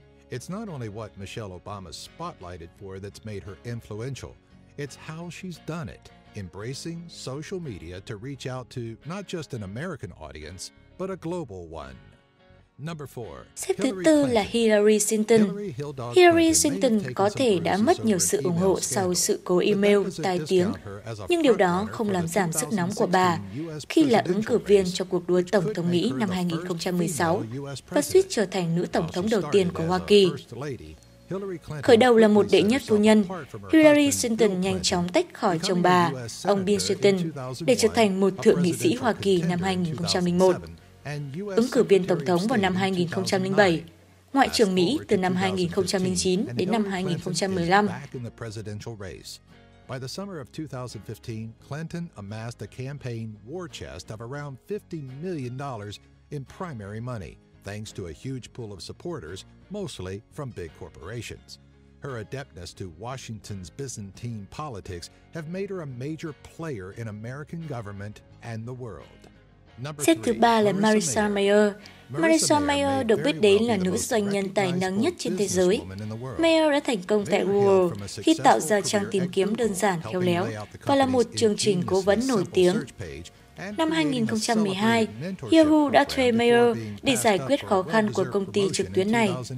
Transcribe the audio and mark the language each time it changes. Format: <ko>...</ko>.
<en>It's not only what Michelle Obama spotlighted for that's made her influential, it's how she's done it embracing social media to reach out to not just an American audience, but a global one. Number four,</en> <vi>xếp thứ tư là Hillary Clinton. Hillary Clinton có thể đã mất nhiều sự ủng hộ sau sự cố email tai tiếng, nhưng điều đó không làm giảm sức nóng của bà khi là ứng cử viên cho cuộc đua tổng thống Mỹ năm 2016 và suýt trở thành nữ tổng thống đầu tiên của Hoa Kỳ. Khởi đầu là một đệ nhất phu nhân, Hillary Clinton nhanh chóng tách khỏi chồng bà, ông Bill Clinton, để trở thành một thượng nghị sĩ Hoa Kỳ năm 2001. Ứng cử viên tổng thống vào năm 2007, ngoại trưởng Mỹ từ năm 2009 đến năm 2015.</vi> <en>By the summer of 2015, Clinton amassed a campaign war chest of around $50 million in primary money, thanks to a huge pool of supporters, mostly from big corporations. Her adeptness to Washington's Byzantine politics have made her a major player in American government and the world.</en> <vi>Xếp thứ ba là Marissa Mayer. Marissa Mayer được biết đến là nữ doanh nhân tài năng nhất trên thế giới. Mayer đã thành công tại Google khi tạo ra trang tìm kiếm đơn giản khéo léo và là một chương trình cố vấn nổi tiếng. Năm 2012, Yahoo đã thuê Mayer để giải quyết khó khăn của công ty trực tuyến này.</vi>